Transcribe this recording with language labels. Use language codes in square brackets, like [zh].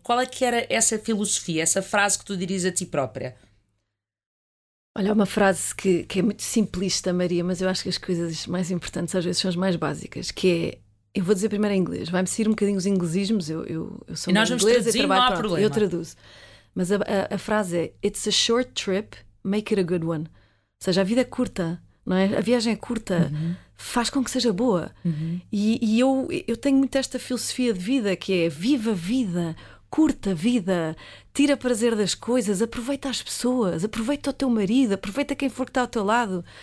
[pt] Qual é que era essa filosofia, essa frase que tu dirias a ti própria? Olha, uma frase que é muito simplista, Maria, mas eu acho que as coisas mais importantes às vezes são as mais básicas, que é, eu vou dizer primeiro em inglês, vai-me sair um bocadinho os inglesismos, eu sou uma inglesa e trabalho, pronto, eu traduzo. Mas a frase é, [en] it's a short trip, make it a good one. [pt] Ou seja, a vida é curta, não é? A viagem é curta, faz com que seja boa. E eu tenho muito esta filosofia de vida, que é, viva a vida, curta a vida, tira prazer das coisas, aproveita as pessoas, aproveita o teu marido, aproveita quem for que está ao teu lado.